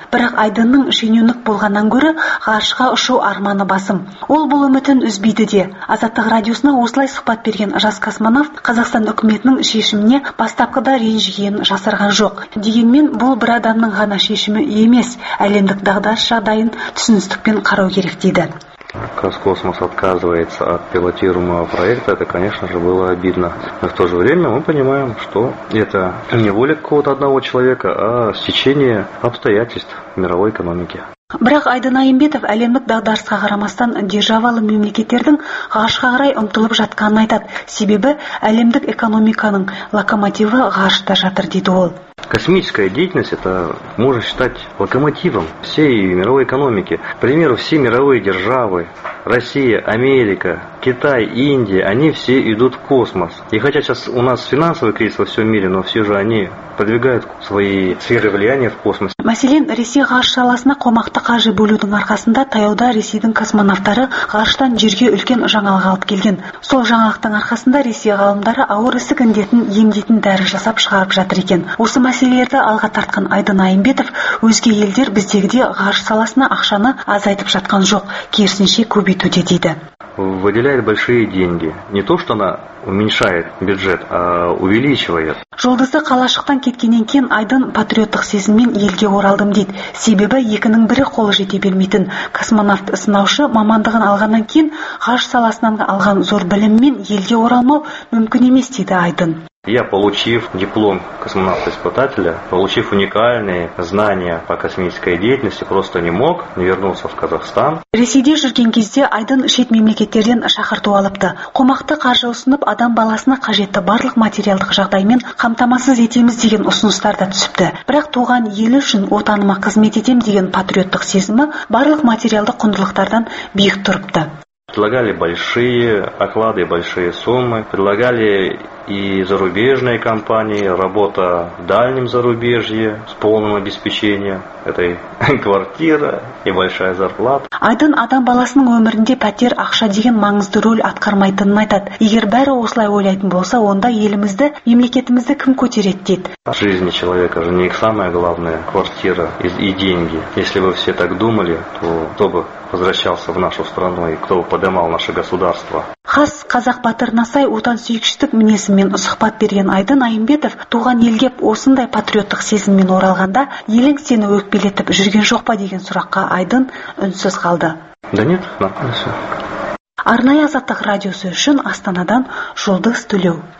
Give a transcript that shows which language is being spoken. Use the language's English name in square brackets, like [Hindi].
[Kazakh] Бірақ Айдынның шенеунік болғаннан гөрі ғарышқа ұшу арманы басым. Ол бұл үмітін үзбейді де. Азаттық радиосына осылай сұхбат берген жас космонавт Қазақстан үкіметінің шешіміне бастапқыда ренжігенін жасырған жоқ. Дегенмен бұл бір адамның ғана шешімі емес, әлемдік дағдарыс жағдайын түсіністікпен қарау керек дейді. [Russian] Казкосмос отказывается от пилотируемого проекта, это, конечно же, было обидно. Но в то же время мы понимаем, что это не воля какого-то одного человека, а стечение обстоятельств мировой экономики. [Kazakh] Бірақ Айдын Айымбетов әлемдік дағдарысқа қарамастан державалы мемлекеттердің ғарышқа қарай ұмтылып жатқанын айтады. Себебі әлемдік экономиканың локомотиві ғарышта жатыр дейді ол. [Russian] Космическая деятельность – это можно считать локомотивом всей мировой экономики. К примеру, все мировые державы – Россия, Америка, Китай, Индия – они все идут в космос. И хотя сейчас у нас финансовый кризис во всем мире, но все же они продвигают свои сферы влияния в космос. [Kazakh] Мәселен, Ресей ғарыш саласына қомақты қаржы бөлудің арқасында таяуда Ресейдің космонавтары ғарыштан жерге үлкен жаңалық алып келген. Сол жаңалықтың арқасында Ресей ғалымдары ауыр ісік індетін емдейтін дәрі жасап шығарып жатыр екен. Осы мәселелерді алға тартқан Айдын Айымбетов өзге елдер біздегіде ғарыш саласына ақшаны азайтып жатқан жоқ, керісінше көбейтуде дейді. [Russian] Выделяет большие деньги. Не то, что она уменьшает бюджет, а увеличивает. [Kazakh] Жолдызды қалашықтан кеткенен кейін Айдын патриоттық сезіммен елге оралдым дейді. Себебі екінің бірі қол жете бермейтін. Космонавт сынаушы мамандығын алғаннан кейін ғарыш саласынан алған зор біліммен елге оралмау мүмкін емес дейді Айдын. [Russian] Я, получив диплом космонавта-испытателя, получив уникальные знания по космической деятельности, просто не мог вернуться в Казахстан. [Kazakh] Ресейде жүрген кезде Айдын шет мемлекеттерден шақырту алыпты. Қомақты қаржы ұсынып, адам баласына қажетті барлық материалдық жағдаймен қамтамасыз етеміз деген ұсыныстар да түсіпті. Бірақ туған елі үшін отаныма қызмет етем деген патриоттық сезімі барлық материалдық құндылықтардан биік тұрыпты. [Russian] Предлагали большие оклады, большие суммы, предлагали и зарубежные компании, работа в дальнем зарубежье с полным обеспечением этой квартиры и большая зарплата. [Kazakh] Айдын адам баласының өмірінде пәтер ақша деген маңызды рөл атқармайтынын айтады. Егер бәрі осылай ойлайтын болса, онда елімізді, мемлекетімізді кім көтереді дейді. [Russian] В жизни человека же не самое главное квартира и деньги. Если бы все так думали, то кто бы возвращался в нашу страну и кто бы поднимал наше государство. [Kazakh] Хас қазақ батырына сай отан сүйікшілік мінезімен сұхбат берген Айдын Айымбетов туған елге осындай патриоттық сезіммен оралғанда елің сені өкпелетіп жүрген жоқ па деген сұраққа Айдын үнсіз қалды. [Russian] Да нет, да. [Kazakh] Арнайы Азаттық радиосы үшін Астанадан Жұлдыз Төлеу.